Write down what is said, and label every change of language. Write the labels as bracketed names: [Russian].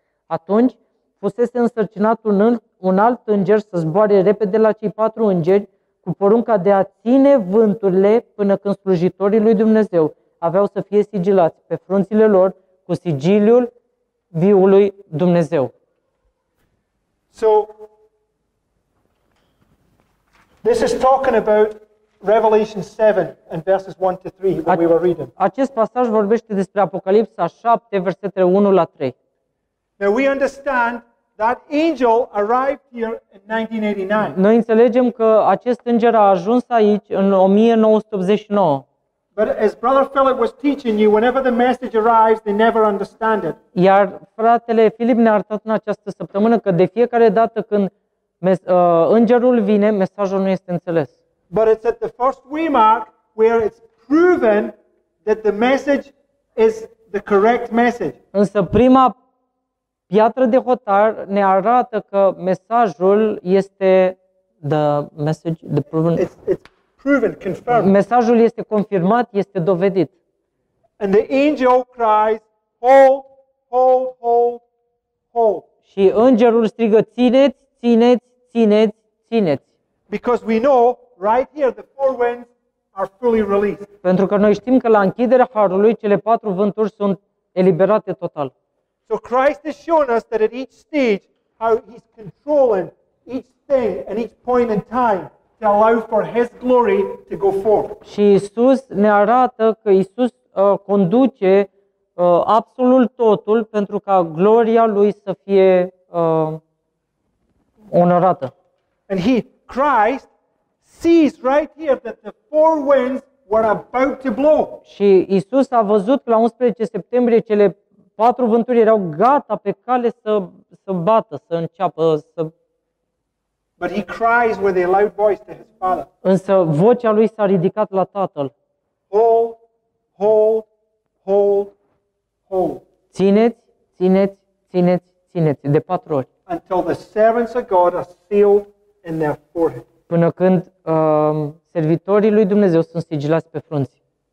[Romanian] Atunci fusese însărcinat un alt înger să zboare repede la cei patru îngeri cu porunca de a ține vânturile până când slujitorii lui Dumnezeu aveau să fie sigilați pe frunțile lor cu sigiliul viului Dumnezeu. [English] So this is talking about Revelation 7 and verses 1 to 3 that we were reading. [Romanian] Acest pasaj vorbește despre Apocalipsa 7, versetele 1 la 3. [English] Now we understand that angel arrived here in 1989. [Romanian] Noi înțelegem că acest înger a ajuns aici în 1989. [English] But as Brother Philip was teaching you, whenever the message arrives, they never understand it. [Romanian] Iar fratele Philip ne-a arătat în această săptămână că de fiecare dată când îngerul vine, mesajul nu este înțeles. [English] But it's at the first waymark where it's proven that the message is the correct message. [Romanian] Însă prima piatră de hotar ne arată că mesajul este [English] the message, the proven. It's proven, confirmed. [Romanian] Mesajul este confirmat, este dovedit. [English] And the angel cries, hold, hold, hold, hold. [Romanian] Și îngerul strigă, țineți, țineți, țineți, țineți. [English] Because we know right here the four winds are fully released. [Romanian] Pentru că noi știm că la închiderea harului cele patru vânturi sunt eliberate total. [English] So Christ has shown us that at each stage how he's controlling each thing and each point in time to allow for his glory to go forth. [Romanian] Și Isus ne arată că Isus conduce absolut totul pentru ca gloria lui să fie onorată. [English] And he, Christ, sees right here that the four winds were about to blow. [Romanian] Și Isus a văzut că la 11 septembrie cele patru vânturi erau gata pe cale să bată, să înceapă să. [English] But he cries with a loud voice to his father. [Romanian] Însă vocea lui s-a ridicat la Tatăl. [English] Hold, hold, hold, hold. [Romanian] Țineți, țineți, țineți, țineți de patru ori. [English] Until the servants of God are sealed in their forehead. [Romanian] Până când servitorii lui Dumnezeu sunt sigilați pe frunți.